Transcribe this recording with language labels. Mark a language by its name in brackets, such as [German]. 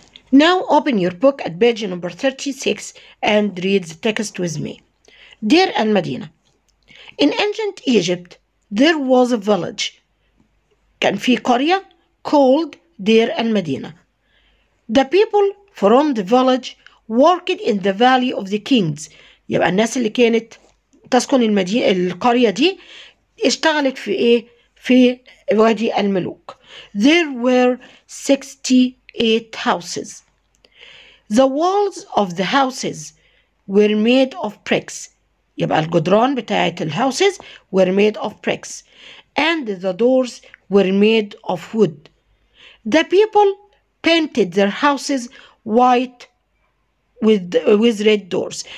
[English] Now open your book at page number 36 and read the text with me. Dear Al-Madina, In ancient Egypt, there was a village. [Arabic] كان في قرية [English] called [Arabic] Deir al-Medina. [English] The people from the village worked in the valley of the kings. [Arabic] يبقى الناس اللي كانت تسكن المدينة القرية دي اشتغلت في ايه؟ في وادي الملوك. [English] There were 68 houses. The walls of the houses were made of bricks. [Arabic] يبقى الجدران بتاعت الهاوسز [English] were made of bricks. And the doors were made of wood. The people painted their houses white with red doors.